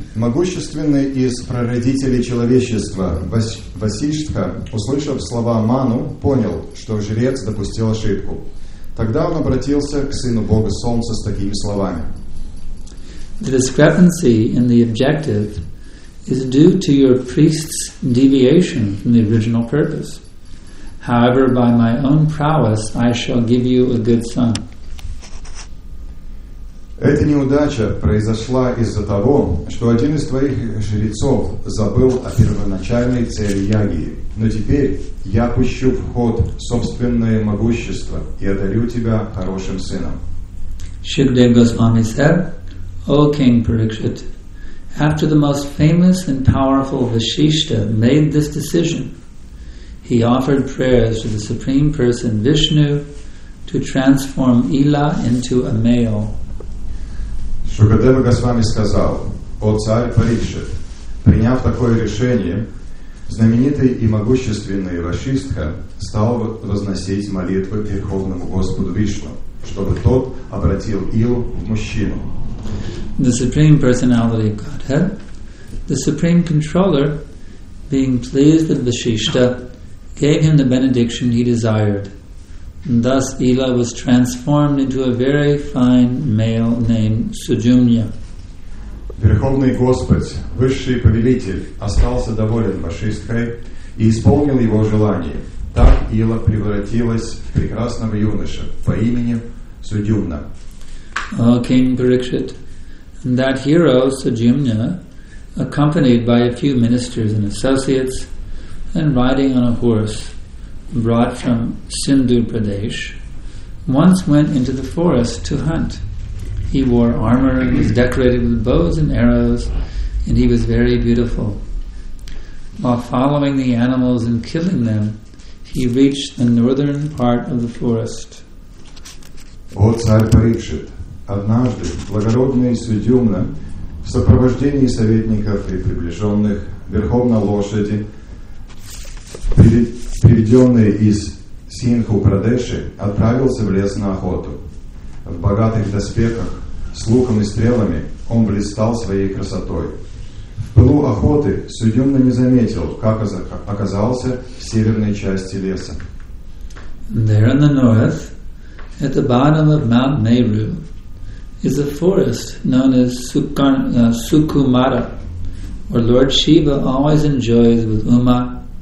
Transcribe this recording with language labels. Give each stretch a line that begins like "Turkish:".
Russian: Могущественный из прародителей человечества Васиштха, услышав слова Ману, понял, что жрец допустил ошибку. Тогда он обратился к сыну Бога Солнца с такими словами.
English: The discrepancy in the objective is due to your priest's deviation from the original purpose. However, by my own prowess, I shall give you a good son.
Russian: Эта неудача произошла из-за того, что один из твоих жрецов забыл о первоначальной цели Ягии. Но теперь я пущу в ход собственное могущество и одарю тебя хорошим сыном.
English: Shukdev Goswami said, O King Parikshit, after the most famous and powerful Vasishta made this decision, he offered prayers to the Supreme Person Vishnu to transform Ila into a male.
Russian: Шукадева Госвами сказал, «О царь Парикшит, приняв такое решение, знаменитый и могущественный Вашистха стал возносить молитвы Верховному Господу Вишну, чтобы тот обратил Илу в мужчину».
English: The Supreme Personality of Godhead, the Supreme Controller, being pleased with Vasishta, gave him the benediction he desired. Thus, Ila was transformed into a very fine male named Sujumna.
Russian: Верховный Господь, Высший Повелитель, остался доволен Вашистхой и исполнил его желание. Так Ила превратилась в прекрасного юноша по имени Судюмна.
English: О, King Parikshit, that hero, Sujumna, accompanied by a few ministers and associates, and riding on a horse brought from Sindhu Pradesh, once went into the forest to hunt. He wore armor and was decorated with bows and arrows, and he was very beautiful. While following the animals and killing them, he reached the northern part of the forest.
Russian: О, царь Парикшит, однажды благородный Судюмна в сопровождении советников и приближенных верхом на лошади, приведенный из Синху Прадеши, отправился в лес на охоту. В богатых доспехах, с луком и стрелами, он блистал своей красотой. В пылу охоты Судюмна не заметил, как оказался в северной части леса.
English: There in the north, at the bottom of Mount Meru, is a forest known as Sukumara, where Lord Shiva always enjoys with Uma.